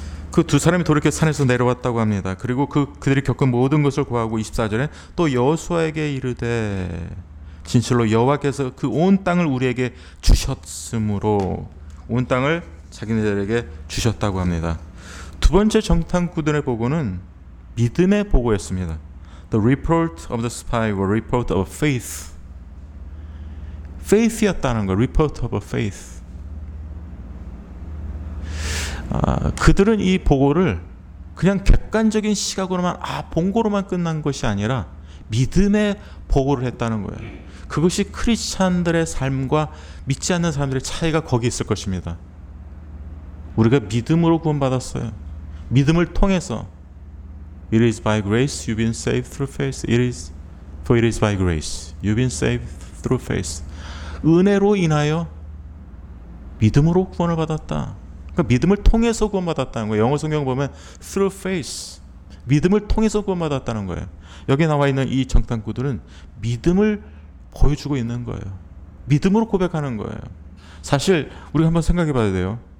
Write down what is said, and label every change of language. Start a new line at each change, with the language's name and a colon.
Korean: 그 두 사람이 돌이켜 산에서 내려왔다고 합니다. 그리고 그들이 겪은 모든 것을 구하고 24절에 또 여호수아에게 이르되 진실로 여호와께서 그 온 땅을 우리에게 주셨으므로, 온 땅을 자기네들에게 주셨다고 합니다. 두 번째 정탐꾼들의 보고는 믿음의 보고였습니다.
English: The report of the spy or report of faith. Faith였다는 거, report of a faith.
Korean: 그들은 이 보고를 그냥 객관적인 시각으로만 본 거로만 끝난 것이 아니라 믿음의 보고를 했다는 거예요. 그것이 크리스찬들의 삶과 믿지 않는 사람들의 차이가 거기 있을 것입니다. 우리가 믿음으로 구원받았어요. 믿음을 통해서
English: It is by grace you've been saved through faith. It is by grace you've been saved through faith.
Korean: 은혜로 인하여 믿음으로 구원을 받았다. 그러니까 믿음을 통해서 구원받았다는 거예요. 영어 성경 보면
English: through faith,
Korean: 믿음을 통해서 구원받았다는 거예요. 여기 나와 있는 이 정탐꾼들은 믿음을 보여주고 있는 거예요. 믿음으로 고백하는 거예요. 사실 우리가 한번 생각해 봐야 돼요.